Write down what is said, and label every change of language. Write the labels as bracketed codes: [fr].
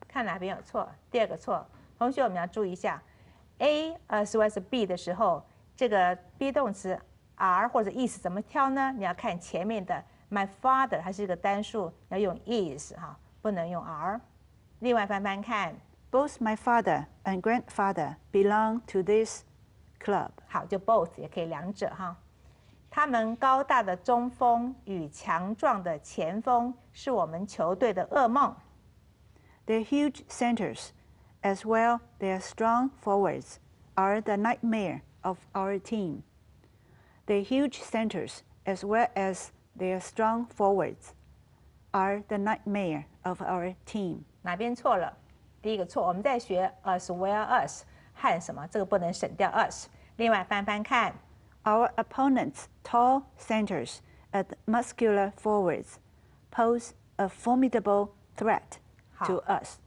[zh] 看哪边有错？第二个错。同学，我们要注意一下 ， [en] A as well as B [zh] 的时候，这个 be 动词 are 或者 is 怎么挑呢？你要看前面的 my father， 它是一个单数，要用 is 哈，不能用 are。另外翻翻看 [en] ，Both my father and grandfather belong to this. Club. [zh] 好，就 both 也可以两者哈。他们高大的中锋与强壮的前锋是我们球队的噩梦。 [en] Their huge centers, as well their strong forwards, are the nightmare of our team. Their huge centers, as well as their strong forwards, are the nightmare of our team. [zh] 哪边错了？第一个错，我们在学 [en] as well as。 [zh] 看什么？这个不能省掉 us。另外翻翻看 [en] ，Our opponents' tall centers and muscular forwards pose a formidable threat to us.